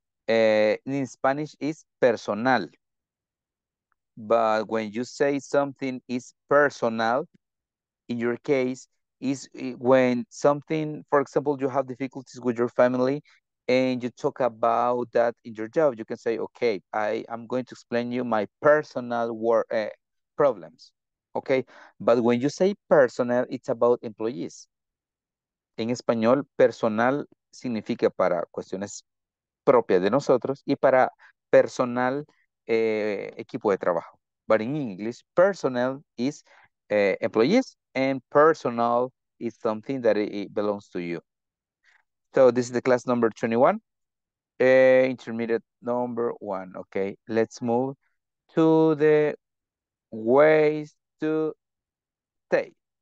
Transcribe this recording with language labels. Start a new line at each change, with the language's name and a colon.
English: In Spanish, it's personal. But when you say something is personal, in your case, is when something, for example, you have difficulties with your family, and you talk about that in your job, you can say, okay, I am going to explain you my personal work problems, okay? But when you say personal, it's about employees.
Spanish: En español, personal significa para cuestiones propias de nosotros y para personal equipo de trabajo.
English: But in English, personal is employees, and personal is something that it belongs to you. So this is the class number 21, intermediate number one. Okay, let's move to the ways to say.